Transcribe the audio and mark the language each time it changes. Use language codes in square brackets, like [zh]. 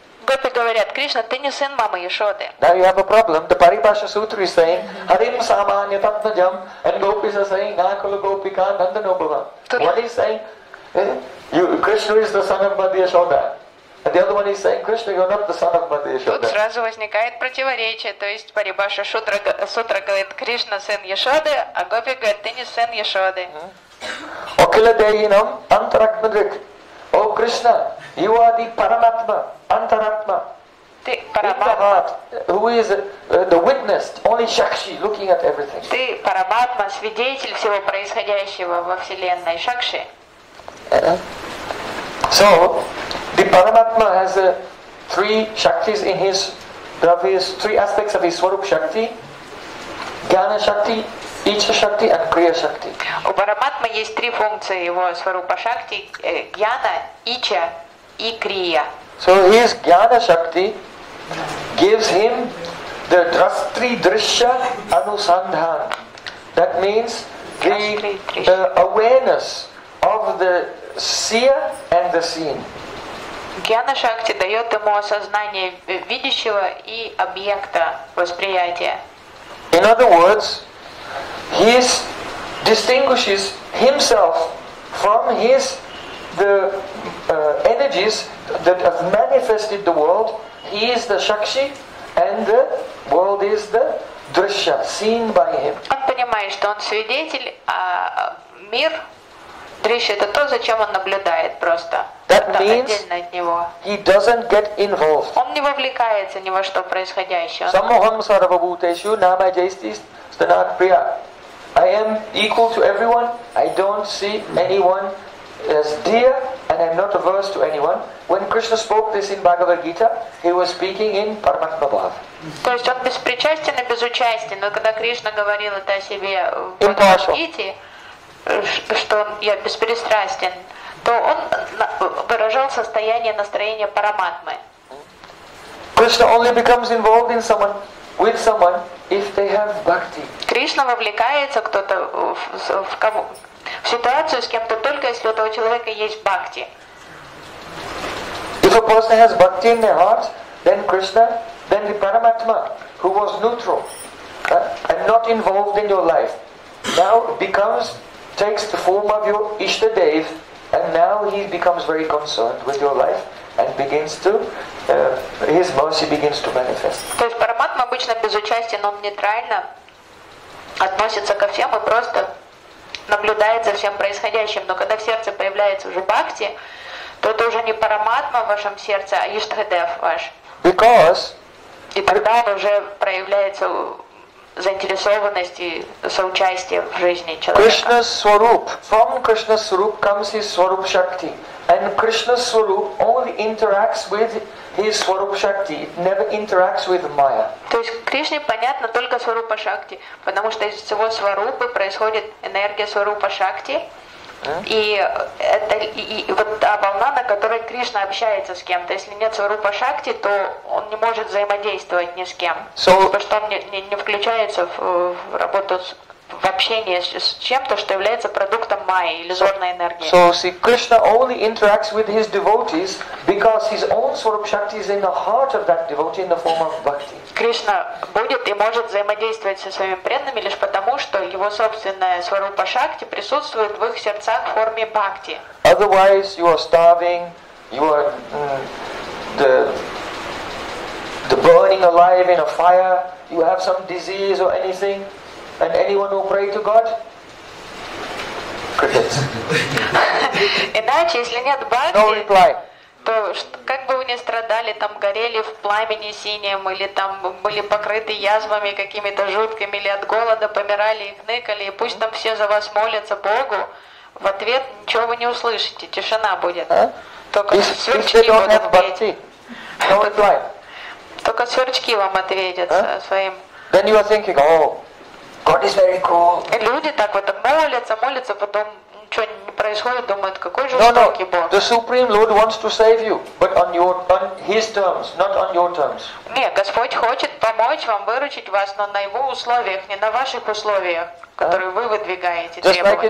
[ru] Гопи говорят, Кришна, ты не сын мамы Яшоды. [en] Now you have a problem. The Paribhasha Sutra is saying, [sa] Harim Samanya Tatnajam, [en] and Gopis are saying, [sa] Nakula Gopika Nandano Bhavan. [en] One is saying, Krishna is the son of Mother Yashoda. And the other one is saying, Krishna, you are not the son of Mother Yashoda. [ru] Тут сразу возникает противоречие. То есть Paribhasha Sutra говорит, Кришна сын Яшоды, а Гопи говорит, ты не сын Яшоды. [sa] Akhila Dehinam Antaratmadrik. [en] Oh Krishna, you are the Paramatma, Antaratma. [ru] Ты Paramatma. [en] Who is the witness, only Shakshi, looking at everything. [ru] Ты Paramatma, свидетель всего происходящего во Вселенной, Shakshi. [en] So, the Paramatma has three Shaktis in his, three aspects of his Swarup Shakti, Jnana Shakti, [ru] Ичха Шакти и Крия Шакти. У Параматмы есть три функции его Сварупа Шакти: Гьяна, Ичха и Крия. [en] So his Gyana Shakti gives him the Drastri Drishya Anusandhan. That means the awareness of the seer and the seen. [ru] Гьяна Шакти дает ему осознание видящего и объекта восприятия. [en] In other words, he distinguishes himself from the energies that have manifested the world. He is the Shakshi, and the world is the Drishya, seen by him. [ru] Он понимает, что он свидетель, а мир Дриша — это то, зачем он наблюдает просто. [en] That means he doesn't get involved. [ru] Он не вовлекается ни во что происходящее. [sa] Самохам сарвабхутешу нама джейсти станат прия. [en] I am equal to everyone. I don't see anyone as dear, and I'm not averse to anyone. When Krishna spoke this in Bhagavad Gita, he was speaking in Paramatma Bhav. [ru] То есть он беспричастен и безучастен, но когда Кришна говорил это о себе в Bhagavad Gita, что я беспристрастен, то он выражал состояние настроения параматмы. [en] Krishna only becomes involved in someone, with someone, if they have bhakti. [ru] Кришна вовлекается кто-то в кого? В ситуацию с кем-то только если у этого человека есть бхакти. [en] If a person has bhakti in their heart, then Krishna, then the Paramatma, who was neutral and not involved in your life, now takes the form of your Ishtadev, and now he becomes very concerned with your life and begins to his mercy begins to manifest. [ru] То есть Параматма обычно безучастен, он нейтрально относится ко всем и просто наблюдает за всем происходящим. Но когда в сердце появляется уже бхакти, то это уже не параматма в вашем сердце, а иштхадев ваш. И тогда он уже проявляется заинтересованность и соучастие в жизни человека. [en] Krishna's Swarup. From Krishna's Swarup comes his Swarup Shakti. And Krishna's Swarup only interacts with his Swarup Shakti. It never interacts with Maya. [ru] То есть Кришне понятно только Сварупа Шакти, потому что из всего Сварупы происходит энергия Сварупа Шакти. И это вот та волна, на которой Кришна общается с кем-то. Если нет Сварупа Шакти, то он не может взаимодействовать ни с кем. Потому что он не включается в работу в общение с чем-то, что является продуктом майи, иллюзорной энергии. [en] So see, Krishna only interacts with his devotees because his own Swarup Shakti is in the heart of that devotee in the form of bhakti. [ru] Кришна будет и может взаимодействовать со своими преданными лишь потому, что его собственная Сварупа Шакти присутствует в их сердцах в форме бхакти. [en] Otherwise, you are starving, you are the burning alive in a fire, you have some disease or anything. And anyone who pray to God? Crickets. [ru] Иначе, если нет бхакти, [en] no reply. [ru] То как бы вы ни страдали, там горели в пламени синем, или там были покрыты язвами какими-то жуткими, или от голода помирали и хныкали, и пусть там все за вас молятся Богу, в ответ ничего вы не услышите, тишина будет. Только сверчки будут петь. [en] No reply. [ru] Только сверчки вам ответят своим. [en] Then you are thinking, oh, God is very cruel. [ru] И люди так вот молятся, потом ничего не происходит, думают, какой же жестокий Бог. [en] No, no. The Supreme Lord wants to save you, but on His terms, not on your terms. [ru] Не, Господь хочет помочь вам, выручить вас, но на Его условиях, не на ваших условиях, которые вы выдвигаете требования.